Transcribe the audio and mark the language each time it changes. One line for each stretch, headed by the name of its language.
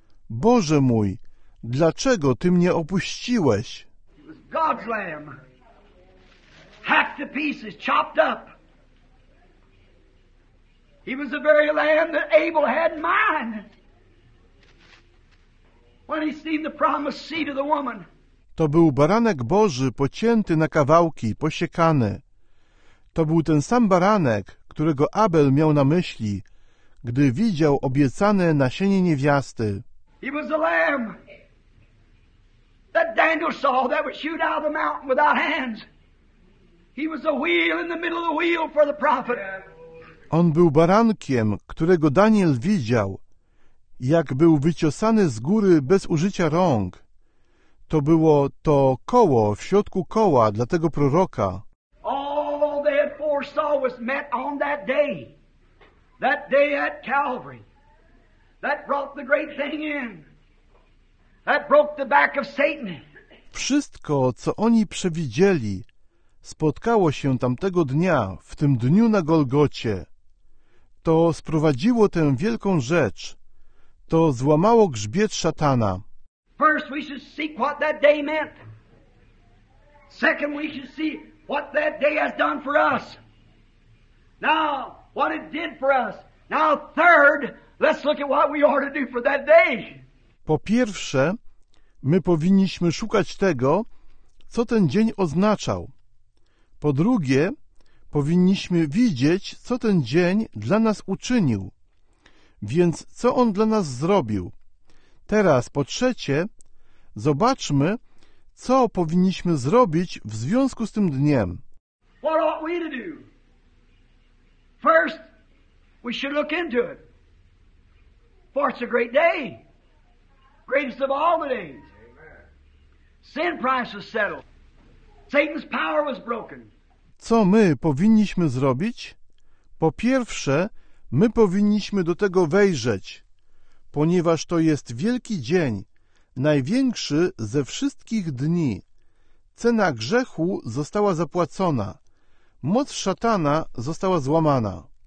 Polish: Boże mój, dlaczego Ty mnie opuściłeś?
English: God's lamb. Hacked to pieces, chopped up. He was the very lamb that Abel had in mind when he seen the promised seed of the woman.
Polish: To był baranek Boży pocięty na kawałki, posiekany. To był ten sam baranek, którego Abel miał na myśli, gdy widział obiecane nasienie niewiasty.
English: He was the lamb that Daniel saw that would shoot out of the mountain without hands. He was the wheel in the middle of the wheel for the prophet.
Polish: On był barankiem, którego Daniel widział, jak był wyciosany z góry bez użycia rąk. To było to koło w środku koła dla tego proroka.
English: All they had foresaw was met on that day at Calvary, that brought the great thing in, that broke the back of Satan.
Polish: Wszystko, co oni przewidzieli, spotkało się tamtego dnia, w tym dniu na Golgocie. To sprowadziło tę wielką rzecz. To złamało grzbiet szatana.
English: First we should see what that day meant. Second we should see what that day has done for us. Now what it did for us. Now third, let's look at what we ought to do for that day.
Polish: Po pierwsze, my powinniśmy szukać tego, co ten dzień oznaczał. Po drugie, powinniśmy widzieć, co ten dzień dla nas uczynił. Więc co on dla nas zrobił? Teraz, po trzecie, zobaczmy, co powinniśmy zrobić w związku z tym dniem.
English: What ought we to do? First, we should look into it. For it's a great day. Greatest of all the days. Sin price was settled. Satan's power was broken.
Polish: Co my powinniśmy zrobić? Po pierwsze, my powinniśmy do tego wejrzeć, ponieważ to jest wielki dzień, największy ze wszystkich dni. Cena grzechu została zapłacona. Moc szatana została złamana.